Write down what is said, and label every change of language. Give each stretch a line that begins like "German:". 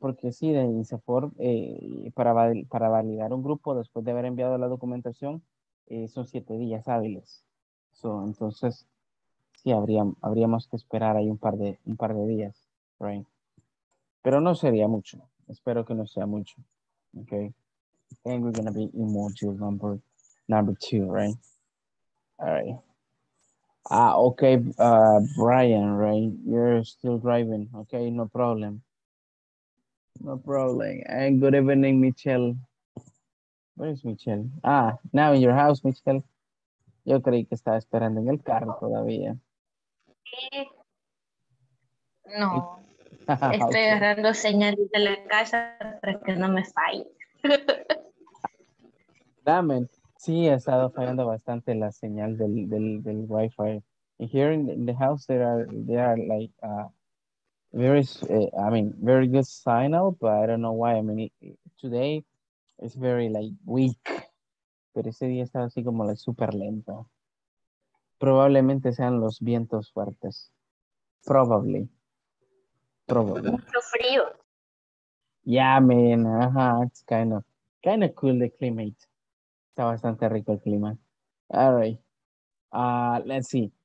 Spanish: Porque sí, de INSAFOR, para validar un grupo después de haber enviado la documentación, son 7 días hábiles. So, entonces, sí, habríamos que esperar ahí un par de días, right? Pero no sería mucho. Espero que no sea mucho.
English: Okay, and we're gonna be in module number two, right? All right. Ah, okay, Brian, right? You're still driving. Okay, no problem. No problem. And good evening, Michelle. Where is Michelle? Ah, now in your house, Michelle.
Spanish: Yo creí que estaba esperando en el carro todavía. No. Estoy okay. Agarrando señales de la casa para que no me falle.
English: Damn.
Spanish: Sí, ha estado fallando bastante la señal del Wi-Fi.
English: And here in the house, there are like very good signal, but I don't know why. I mean, today it's very like weak.
Spanish: Pero ese día estaba así como like, super lento. Probablemente sean los vientos fuertes. Probably. Probably. Mucho frío.
English: Yeah, man. It's kind of cool, the climate.
Spanish: Está bastante rico el clima. All right. Let's see.